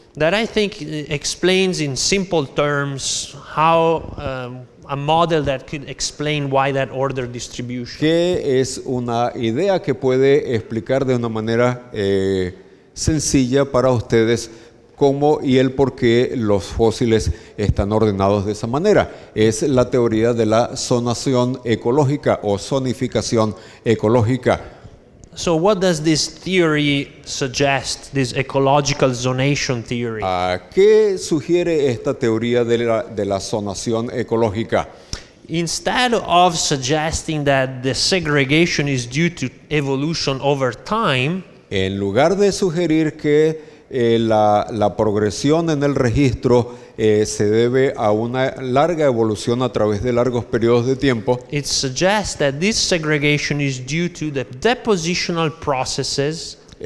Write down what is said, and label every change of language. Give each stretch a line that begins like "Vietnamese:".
English: that I think explains in simple terms how a model that could explain why that order distribution.
Spanish: ¿Qué es una idea que puede explicar de una manera sencilla para ustedes cómo y el por qué los fósiles están ordenados de esa manera? Es la teoría de la zonación ecológica o zonificación ecológica.
English: So what does this theory suggest, this ecological zonation theory?
Spanish: ¿Qué sugiere esta teoría de la zonación ecológica?
English: Instead of suggesting that the segregation is due to evolution over time,
Spanish: en lugar de sugerir que la progresión en el registro se debe a una larga evolución a través de largos periodos de tiempo,
English: it suggests that this segregation is due to the depositional processes.